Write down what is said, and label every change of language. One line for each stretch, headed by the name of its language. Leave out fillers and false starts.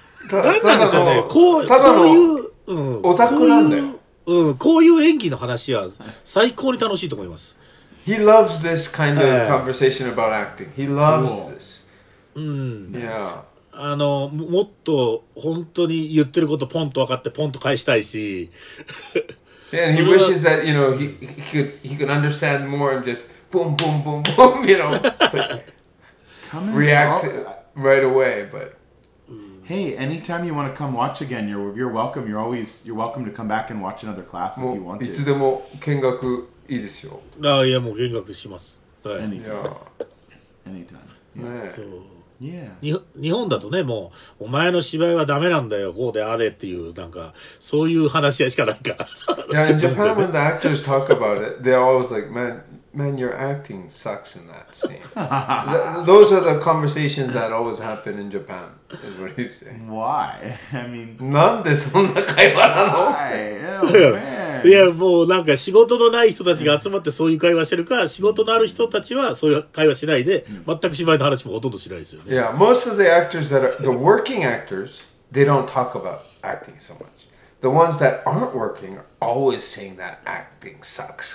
Japanese: なんでしょうね、こういう、オタクなんだよ。こういう演技の話は最高に楽しいと思います。
English: He loves this kind of conversation about acting. He loves this. Yeah.
Japanese: あの、もっと本当に言ってることポンと分かってポンと返したいし、
English: And he wishes that, you know, he could understand more and just boom, boom, boom, boom, you know, react right away. But hey, anytime you want to come watch again, you're welcome. You're welcome to come back and watch another class if you want to.
Japanese: いつでも見学いいですよ。ああ、いや、もう見学します。はい。
English: Anytime.
Japanese: Yeah. 日本だとね、もうお前の芝居はダメなんだよ、こうであれっていう、なんかそういう話し合いしかないか。
English: Yeah, in Japan when the actors talk about it, they're always like, man, your acting sucks in that scene. Those are the conversations that always happen in Japan, is what he's saying. Why? I mean,
Japanese: なんでそんな会話なの？いや、もうなんか仕事のない人たちが集まってそういう会話してるか、仕事のある人たちはそういう会話しないで、全く芝居の話もほとんどしないですよね。
English: Yeah, most of the actors that are the working actors, they don't talk about acting so much. the ones that aren't working are always saying that acting sucks.